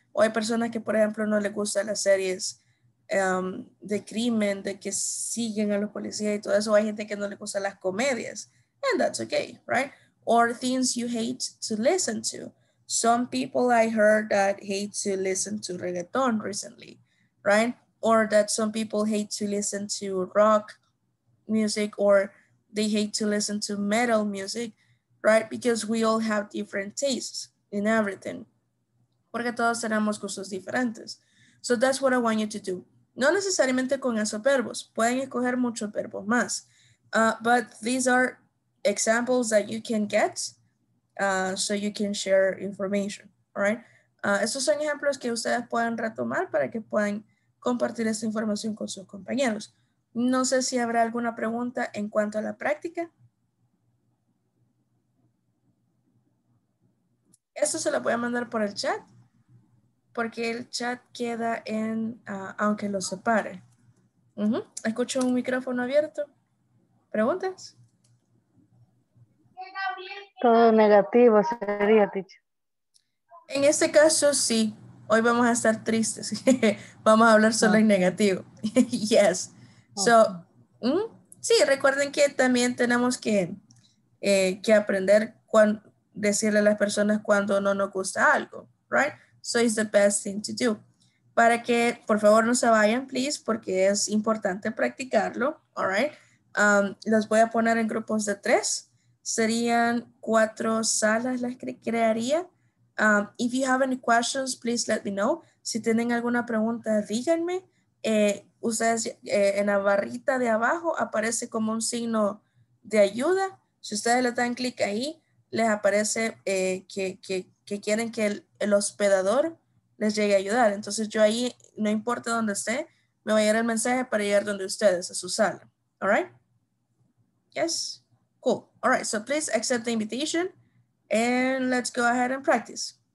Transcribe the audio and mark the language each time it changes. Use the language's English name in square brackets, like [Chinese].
[Spanish] O hay personas que, por ejemplo, no le gustan las series de crimen, de que siguen a los policías y todo eso. Hay gente que no le gusta las comedias. [English] And that's okay, right? Or things you hate to listen to. Some people I heard that hate to listen to reggaeton recently, right? Or that some people hate to listen to rock music or they hate to listen to metal music, right? Because we all have different tastes in everything. [Spanish] Porque todos tenemos gustos diferentes. [English] So that's what I want you to do. [Spanish] No necesariamente con esos verbos. Pueden escoger muchos verbos más. [English] But these are examples that you can get so you can share information, right? [Spanish] Esos son ejemplos que ustedes pueden retomar para que puedan compartir esta información con sus compañeros. No sé si habrá alguna pregunta en cuanto a la práctica. Esto se lo voy a mandar por el chat, porque el chat queda en, aunque lo separe. Uh-huh. Escucho un micrófono abierto. ¿Preguntas? Todo negativo sería, teacher. En este caso, sí. Hoy vamos a estar tristes. Vamos a hablar solo en negativo. Yes. So, sí, recuerden que también tenemos que aprender cuando decirle a las personas cuando no nos gusta algo, right? [English] So it's the best thing to do. [Spanish] Para que, por favor, no se vayan, please, porque es importante practicarlo, [English] all right? [Spanish] Los voy a poner en grupos de tres. Serían cuatro salas las que crearía. [English] If you have any questions, please let me know. [Spanish] Si tienen alguna pregunta, díganme. Ustedes en la barrita de abajo aparece como un signo de ayuda. Si ustedes le dan clic ahí, les aparece que quieren que el hospedador les llegue a ayudar. Entonces yo ahí, no importa dónde esté, me voy a ir el mensaje para llegar donde ustedes, a su sala. [English] All right? Yes? Cool. All right, so please accept the invitation and let's go ahead and practice.